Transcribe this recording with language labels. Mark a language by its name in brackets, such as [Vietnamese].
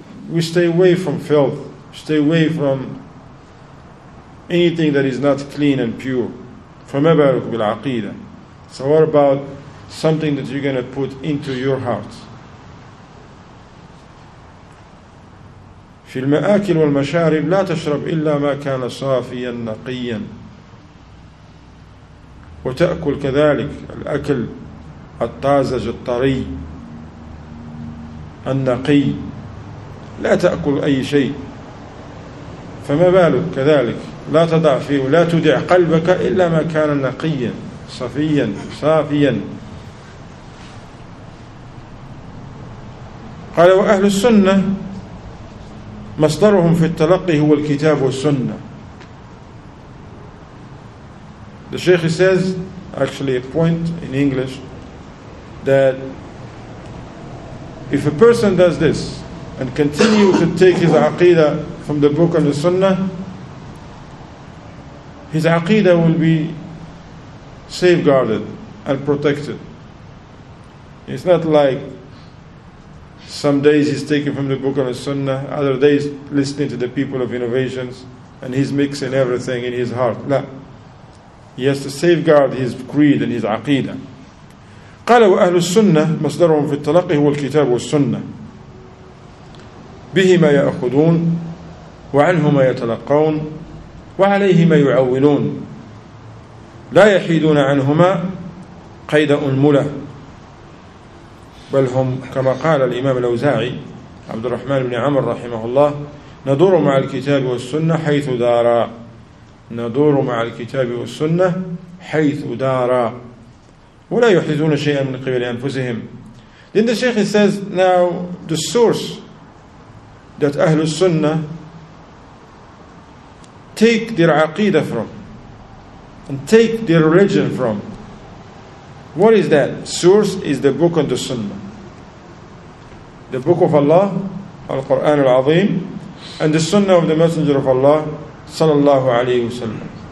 [English] We stay away from filth, stay away from anything that is not clean and pure. [Arabic] فَمَبَارُكُ بِالْعَقِيدَةِ. [English] So what about something that you're going to put into your heart? [Arabic] فِي الْمَآكِلِ وَالْمَشَارِبِ لَا تَشْرَبْ إِلَّا مَا كَانَ صَافِيًا نَقِيًا وتأكل كذلك الأكل الطازج الطري النقي، لا تأكل أي شيء، فما بالك كذلك لا تضع فيه ولا تدع قلبك إلا ما كان نقيا صفيا صافيا. قال وأهل السنة مصدرهم في التلقي هو الكتاب والسنة. [English] The Sheikh says, actually a point in English, that if a person does this and continues to take his aqidah from the book and the sunnah, his aqidah will be safeguarded and protected. It's not like some days he's taking from the book and the sunnah, other days listening to the people of innovations, and he's mixing everything in his heart. No. He has to safeguard his creed and his aqidah. [Arabic] قال وأهل السنة مصدرهم في التلقي هو الكتاب والسنة بهما يأخذون وعنهما يتلقون وعليهما يعولون لا يحيدون عنهما قيد أنملة بل هم كما قال الإمام الأوزاعي عبد الرحمن بن عمرو رحمه الله ندور مع الكتاب والسنة حيث دارا. ندور مع الكتاب والسنة حيث دارا ولا يحدثون شيئا من قبل أنفسهم. [English] Then the Sheikh says, now the source that أهل السنة take their aqidah from and take their religion from, what is that source? Is the book and the Sunnah, the book of Allah, Al-Quran Al-Azim, and the Sunnah of the Messenger of Allah [Arabic] صلى الله عليه وسلم.